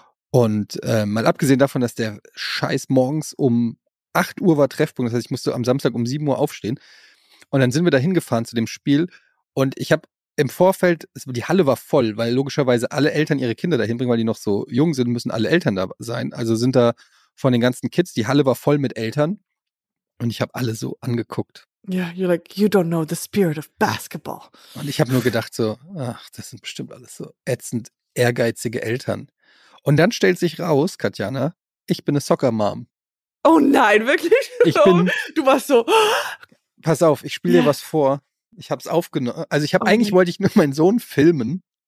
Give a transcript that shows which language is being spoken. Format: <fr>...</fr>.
<de>Und mal abgesehen davon, dass der Scheiß morgens um 8 Uhr war Treffpunkt, das heißt, ich musste am Samstag um 7 Uhr aufstehen. Und dann sind wir da hingefahren zu dem Spiel und ich habe im Vorfeld, die Halle war voll, weil logischerweise alle Eltern ihre Kinder dahin bringen, weil die noch so jung sind, müssen alle Eltern da sein. Also sind da von den ganzen Kids, die Halle war voll mit Eltern und ich habe alle so angeguckt.</de> <en>Yeah, you're like, you don't know the spirit of basketball.</en> <de>Und ich habe nur gedacht so, ach, das sind bestimmt alles so ätzend ehrgeizige Eltern. Und dann stellt sich raus, Katjana, ich bin eine Soccer-Mom. Oh nein, wirklich? Du warst so. Pass auf, ich spiele dir was vor. Ich habe es aufgenommen. Also ich habe eigentlich wollte ich nur meinen Sohn filmen.</de>